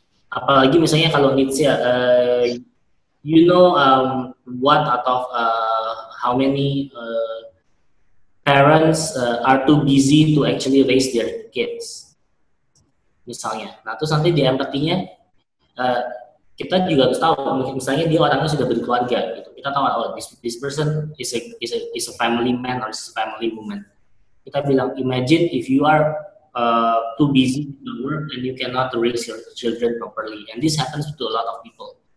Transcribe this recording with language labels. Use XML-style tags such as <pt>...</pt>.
<id>Apalagi misalnya kalau</id> <en>needs ya, you know what out of how many parents are too busy to actually raise their kids,</en> <id>misalnya. Nah terus nanti di empathy-nya, kita juga harus tahu, misalnya dia orangnya sudah berkeluarga gitu. Kita tahu,</id> <en>oh, this person is a family man or is a family woman.</en> <id>Kita bilang,</id> <en>imagine if you are too busy to work and you cannot raise your children properly. And this happens to a lot of people.</en>